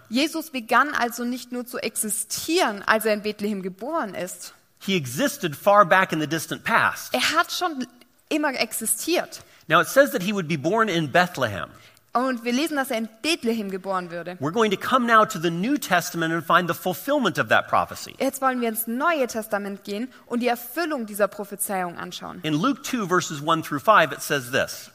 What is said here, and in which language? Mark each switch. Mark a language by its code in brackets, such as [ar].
[de] Jesus begann also nicht nur zu existieren, als er in Bethlehem geboren ist. [en] He existed far back in the distant past. [de] Er hat schon immer existiert. [en] Now it says that he would be born in Bethlehem. [de] Und wir lesen, dass er in Bethlehem geboren würde. [en] We're going to come now to the New Testament and find the fulfillment of that prophecy. [de] Jetzt wollen wir ins Neue Testament gehen und die Erfüllung dieser Prophezeiung anschauen. [en] In Luke 2 verses 1 through 5 it says this.